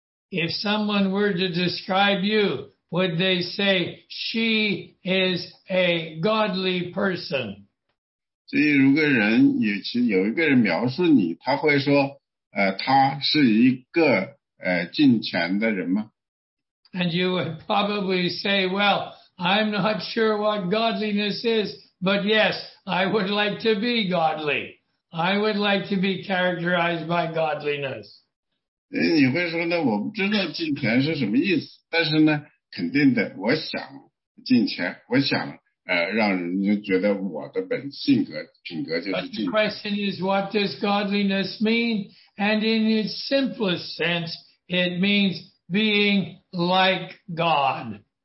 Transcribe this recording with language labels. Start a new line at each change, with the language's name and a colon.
English: If someone were to describe you, would they say, she is a godly person?
Chinese: 所以如果人有其有一个人描述你，他会说，他是一个敬虔的人吗？
English: And you would probably say, well, I'm not sure what godliness is, but yes, I would like to be godly. I would like to be characterized by godliness.
Chinese: 你会说呢，我不知道敬虔是什么意思，但是呢， 肯定的，我想敬虔，我想让人家觉得我的本性格品格就是敬虔。
English: But the question is, what does godliness mean? And in its simplest sense, it means being like God.